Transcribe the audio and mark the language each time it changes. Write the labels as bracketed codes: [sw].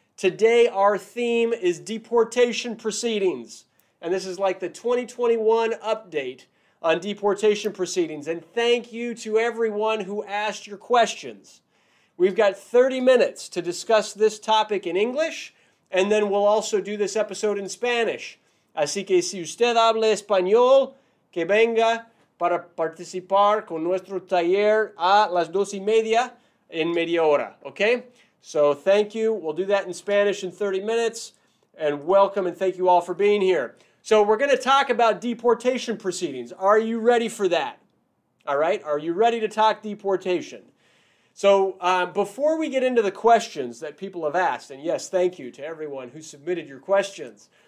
[en] Today, our theme is deportation proceedings. And this is like the 2021 update on deportation proceedings. And thank you to everyone who asked your questions. We've got 30 minutes to discuss this topic in English, and then we'll also do this episode in Spanish. [es] Así que si usted habla español, que venga para participar con nuestro taller a las 2:30 en media hora, okay? [en] So thank you. We'll do that in Spanish in 30 minutes, and welcome and thank you all for being here. So we're going to talk about deportation proceedings. Are you ready for that? All right? Are you ready to talk deportation? So before we get into the questions that people have asked, and yes, thank you to everyone who submitted your questions.